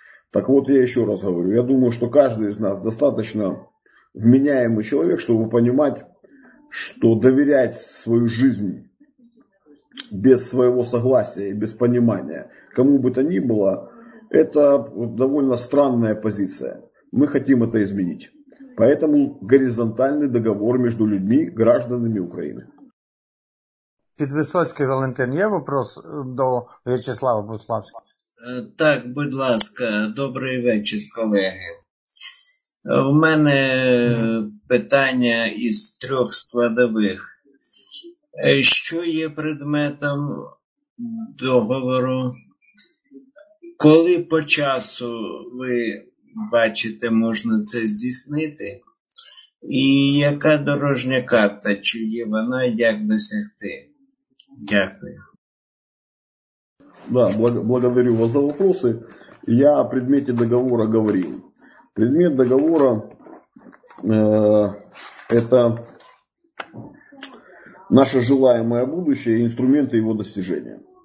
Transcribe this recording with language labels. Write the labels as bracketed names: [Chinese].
[Russian] Так вот, я еще раз говорю, я думаю, что каждый из нас достаточно вменяемый человек, чтобы понимать, что доверять свою жизнь без своего согласия и без понимания, кому бы то ни было, это довольно странная позиция. Мы хотим это изменить. Поэтому горизонтальный договор между людьми, гражданами Украины. [Ukrainian] Під Висоцький Валентин, є вопрос до В'ячеслава Буславського? Так, будь ласка, добрий вечір, колеги. В мене питання із трьох складових. Що є предметом договору? Коли по часу ви бачите, можна це здійснити? І яка дорожня карта, чи є вона, як досягти? Дякую. [Russian] Да, благодарю вас за вопросы. Я о предмете договора говорил. Предмет договора это наше желаемое будущее и инструменты его достижения.